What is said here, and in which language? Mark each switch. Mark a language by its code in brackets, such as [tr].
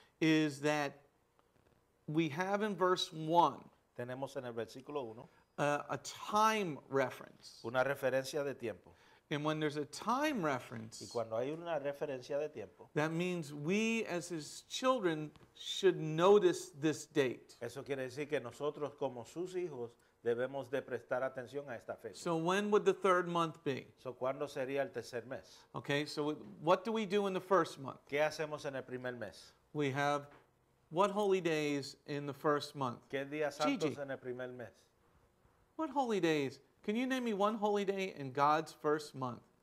[en] Is that we have in verse 1. [es] Tenemos en el versículo 1. [en] A time reference. [es] Una referencia de tiempo. [en] And when there's a time reference, [es] y cuando hay una referencia de tiempo, [en] that means we as his children should notice this date. [es] Eso quiere decir que nosotros como sus hijos debemos de prestar atención a esta fecha. [en] So when would the third month be? [es] So ¿cuándo sería el tercer mes? [en] Okay, so what do we do in the first month? [es] ¿Qué hacemos en el primer mes? [en] We have what holy days in the first month? [es] ¿Qué días santos en el primer mes? [en] What holy days? Can you name me one holy day in God's first month?